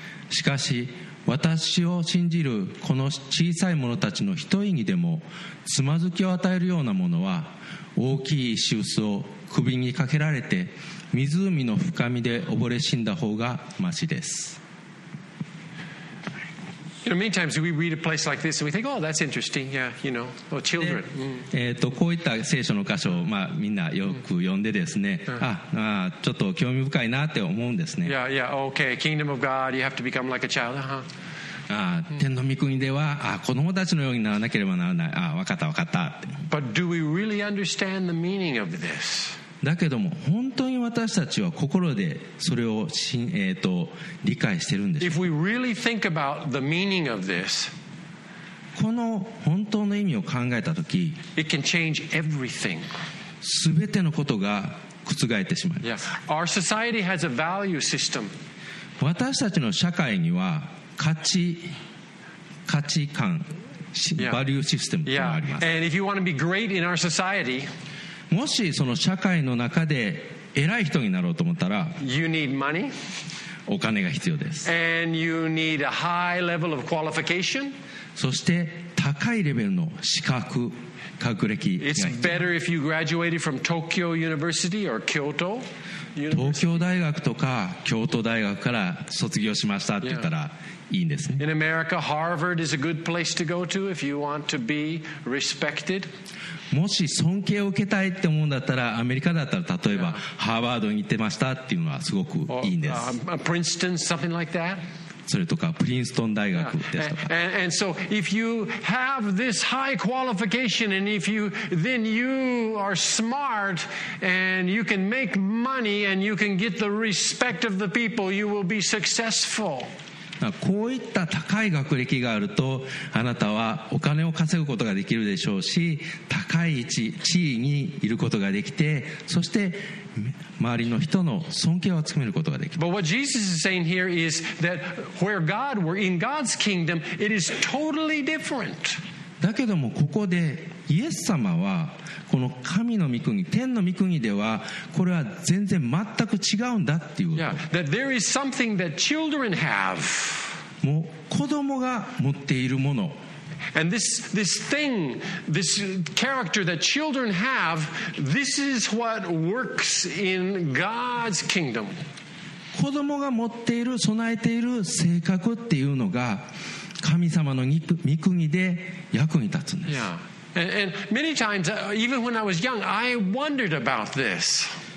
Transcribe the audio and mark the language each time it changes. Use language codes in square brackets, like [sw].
[ja] しかし私を信じるこの小さい者たちの一人にでもつまずきを与えるような者は大きい石臼を首にかけられて湖の深みで溺れ死んだ方がマシです。 [en] You know, many times we read a place like this and we think, oh, that's interesting, yeah, you know, or children. [ja] こういった聖書の箇所を、まあ、みんなよく読んでですね、ちょっと興味深いなって思うんですね。 [en] Yeah, yeah, okay, kingdom of God, you have to become like a child, huh? [ja] 天の御国では子供たちのようにならなければならない。分かった分かったって。 [en] But do we really understand the meaning of this? [ja] だけども本当に私たちは心でそれを理解してるんでしょうか。 [en] If we really think about the meaning of this, [ja] この本当の意味を考えたとき、 [en] it can change everything. [ja] すべてのことが覆ってしまいます。 Yeah. [en] Our society has a value system. [ja] 私たちの社会には価値観、バリューシステムがあります。 Yeah. [en] And if you want to be great in our society, [ja] もしその社会の中で偉い人になろうと思ったら、 [en] you need money. [ja] お金が必要です。 [en] And you need a high level of qualification. [ja] そして高いレベルの資格、学歴が必要。 [en] It's better if you graduated from Tokyo University or Kyoto University. [ja] 東京大学とか京都大学から卒業しましたって言ったら、yeah. いいんですね。 [en] In America, Harvard is a good place to go to if you want to be respected. [ja] もし尊敬を受けたいって思うんだったら、アメリカだったら例えばハーバードに行ってましたっていうのはすごくいいんです。 [en] プリンストン、something like that. [ja] それとかプリンストン大学ですとか。 [en] And so if you have this high qualification and if you then you are smart and you can make money and you can get the respect of the people, you will be successful. [ja] こういった高い学歴があるとあなたはお金を稼ぐことができるでしょうし、高い地位にいることができて、そして周りの人の尊敬を集めることができる。 [en] But what Jesus is saying here is that where God were in God's kingdom, it is totally different. [ja] だけどもここでイエス様はこの神の御国、天の御国ではこれは全然全く違うんだっていうこと。 [en] Yeah, that there is something that children have. [ja] もう子供が持っているもの。 [en] And this thing, this character that children have, this is what works in God's kingdom. [ja] 子供が持っている、備えている性格っていうのが神様の御国で役に立つんです。 Yeah. [en] And many times, even when I was young, I wondered about this.